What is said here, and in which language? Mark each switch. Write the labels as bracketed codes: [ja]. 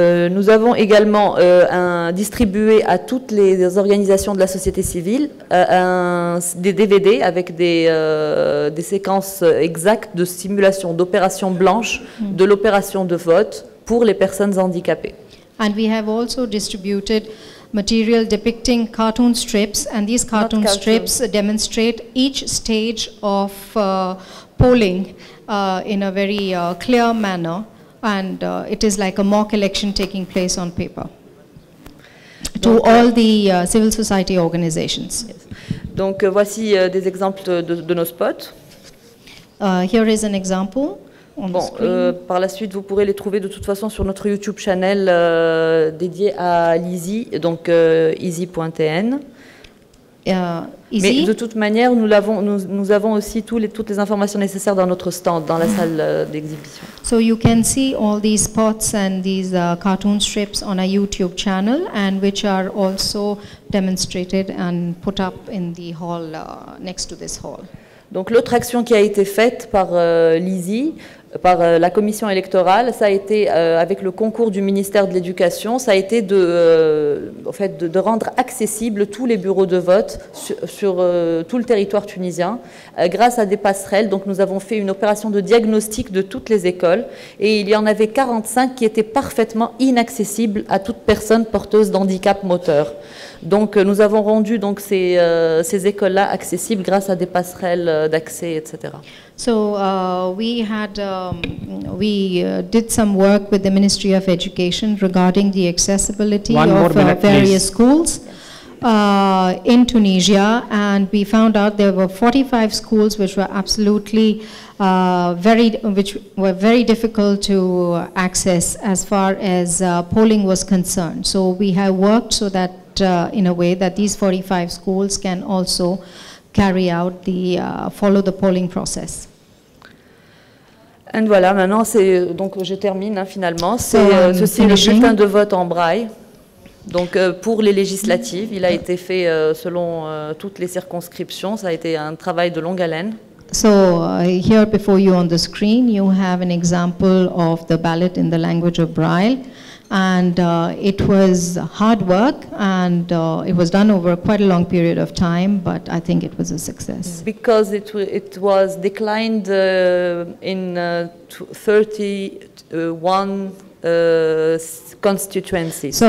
[fr] Nous avons également distribué à toutes les organisations de la société civile des DVD avec des séquences exactes de simulation d'opération blanche de l'opération de vote pour les personnes handicapées. [en] And we have also distributed material depicting cartoon strips, and these cartoon strips demonstrate each stage of polling in a very clear manner. And it is like a mock election taking place on paper to all the civil society organizations. Yes. [fr] Donc voici des exemples de nos spots. [en] Here is an example on bon, the screen. [fr] Par la suite, vous pourrez les trouver de toute façon sur notre YouTube channel dédié à l'EASY, donc easy.tn. Mais de toute manière, nous avons aussi toutes les informations nécessaires dans notre stand, dans la salle d'exhibition. So you can see all these spots and these cartoon strips on our YouTube channel, and which are also demonstrated and put up in the hall next to this hall. Donc l'autre action qui a été faite par l'EASY, par la commission électorale, ça a été avec le concours du ministère de l'Éducation, ça a été de rendre accessibles tous les bureaux de vote sur tout le territoire tunisien grâce à des passerelles. Donc nous avons fait une opération de diagnostic de toutes les écoles et il y en avait 45 qui étaient parfaitement inaccessibles à toute personne porteuse d'handicap moteur. Donc nous avons rendu donc ces écoles-là accessibles grâce à des passerelles d'accès, etc. [en] So we did some work with the Ministry of Education regarding the accessibility of various schools in Tunisia, and we found out there were 45 schools which were absolutely very difficult to access as far as polling was concerned. So we have worked so that in a way that these 45 schools can also carry out the follow the polling process. [fr] Et voilà, maintenant, je termine, hein, finalement. Ceci est le bulletin de vote en braille. Donc, pour les législatives, il a été fait selon toutes les circonscriptions. Ça a été un travail de longue haleine. [en] So, here before you on the screen, you have an example of the ballot in the language of braille. And it was hard work, and it was done over quite a long period of time, but I think it was a success. Because it was declined in 31 constituencies.